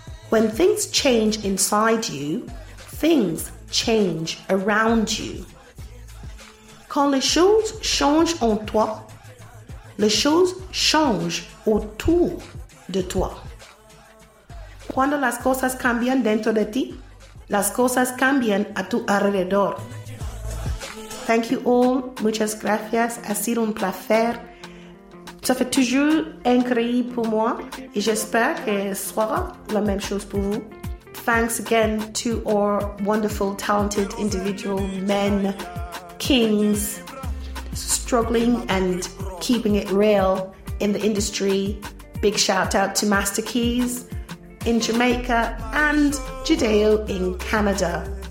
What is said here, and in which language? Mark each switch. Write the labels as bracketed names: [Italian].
[English] When things change inside you, things change around you. [French] Quand les choses changent en toi, les choses changent autour de toi. [Spanish] Cuando las cosas cambian dentro de ti, las cosas cambian a tu alrededor. [English] Thank you all. [Spanish] Muchas gracias. Ha sido un placer. [French] Ça fait toujours incroyable pour moi et j'espère que ce sera la même chose pour vous. [English] Thanks again to our wonderful, talented individual men, kings, struggling and keeping it real in the industry. Big shout out to Masta in Jamaica and Jideo in Canada.